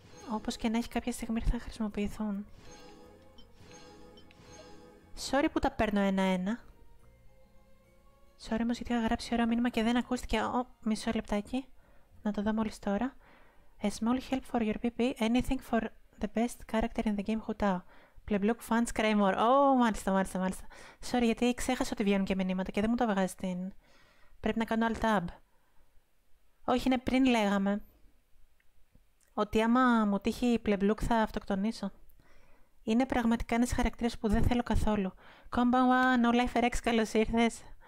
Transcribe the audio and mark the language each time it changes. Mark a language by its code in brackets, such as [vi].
[el] Όπως και να έχει κάποια στιγμή θα χρησιμοποιηθούν. Sorry που τα παίρνω ένα-ένα. Sorry όμως γιατί είχα γράψει ωραίο μήνυμα και δεν ακούστηκε. Ω, μισό λεπτάκι. Να το δω μόλις τώρα. [en] A small help for your PP. Anything for the best character in the game, Huta. Πλεμπλουκ fans cry more. [el] Oh, μάλιστα, μάλιστα, μάλιστα. Sorry, γιατί ξέχασα ότι βγαίνουν και μηνύματα και δεν μου το βγάζει την. Πρέπει να κάνω alt tab. Όχι, είναι πριν λέγαμε. Ότι άμα μου τύχει η πλεμπλουκ θα αυτοκτονήσω. Είναι πραγματικά ένας χαρακτήρας που δεν θέλω καθόλου. Kombawa, no life rex, καλώς ήρθες.